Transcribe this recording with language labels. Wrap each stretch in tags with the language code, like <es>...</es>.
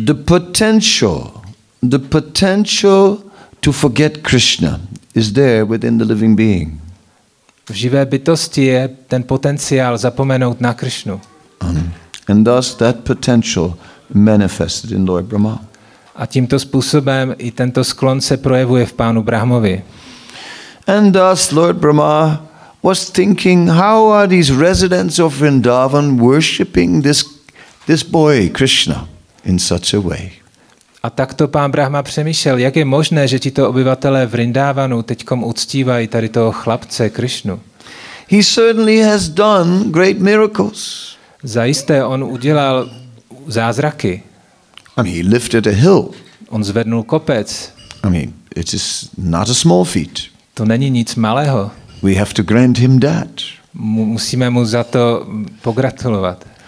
<en>The potential to forget Krishna is there within the living being.</en> <cs>V živé bytosti je ten potenciál zapomenout na Krishnu.</cs> <en>And thus that potential manifested in Lord Brahma.</en> <cs>A tímto způsobem i tento sklon se projevuje v pánu Brahmovi.</cs> <en>And thus Lord Brahma was thinking, how are these residents of Vrindavan worshipping this boy Krishna in such a way?</en> <cs>A takto pán Brahma přemýšlel, jak je možné, že tito obyvatelé Vrindavanu teďkom uctívají tady toho chlapce Krishnu.</cs> <en>He certainly has done great miracles.</en> <cs>Zajisté on udělal zázraky.</cs> <en>I mean, he lifted a hill.</en> <cs>On zvednul kopec.</cs> <en>I mean, it is not a small feat.</en> <cs>To není nic malého.</cs> <en>We have to grant him that.</en> <cs>Musíme mu za to pogratulovat.</cs>